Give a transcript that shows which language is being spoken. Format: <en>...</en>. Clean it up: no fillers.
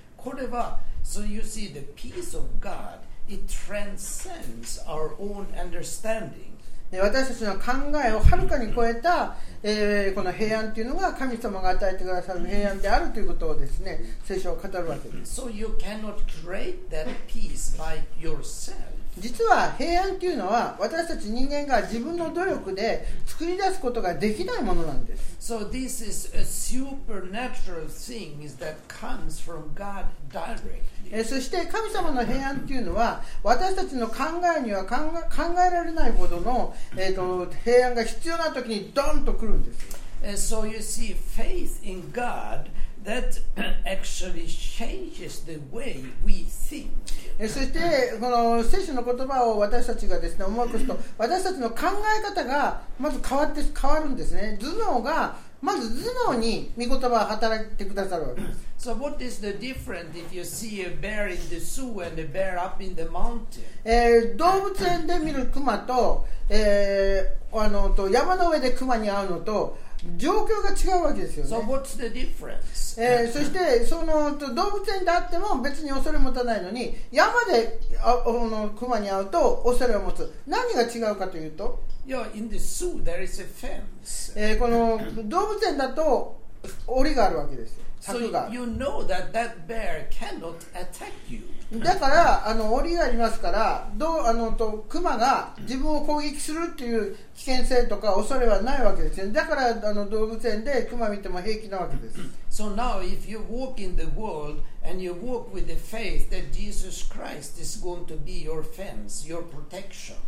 <ja>これは、</ja> <en>so you see, the peace of God, it transcends our own understanding.、</en> <ja>ね、私たちの考えをはるかに超えた、この平安というのが神様が与えてくださる平安であるということをですね、聖書は語るわけです。</ja> <en>So you cannot create that peace by yourself.</en> <ja>実は平安というのは私たち人間が自分の努力で作り出すことができないものなんです。</ja> <en>So this is a supernatural thing that comes from God directly.</en> <ja>そして神様の平安というのは私たちの考えには考えられないほどの、平安が必要な時にドンと来るんです。</ja> <en>So you see, faith in God that actually changes the way we think.</en> <ja>そしてこの聖書の言葉を私たちがですね思い起こすと、私たちの考え方がまず変わって変わるんですね。頭脳がまず頭脳に御言葉を働いてくださるわけです。</ja> <en>So what is the difference if you see a bear in the zoo and a bear up in the mountain?</en> <ja>動物園で見るクマ と、と山の上でクマに会うのと状況が違うわけですよね。</ja> <en>So what's the difference?</en> <ja>そしてその動物園であっても別に恐れ持たないのに、山でクマに会うと恐れを持つ。何が違うかというと、</ja> <en>Yeah, in the zoo there is a fence.</en> <ja>この動物園だと檻があるわけです。柵が。</ja> <en>So you know that that bear cannot attack you.</en> <ja>だからあの檻がありますから、クマが自分を攻撃するっていう危険性とか恐れはないわけですね。だからあの動物園でクマ見ても平気なわけです。</ja> <en>So now if you walk in the world and you walk with the faith that Jesus Christ is going to be your fence, your protection.</en>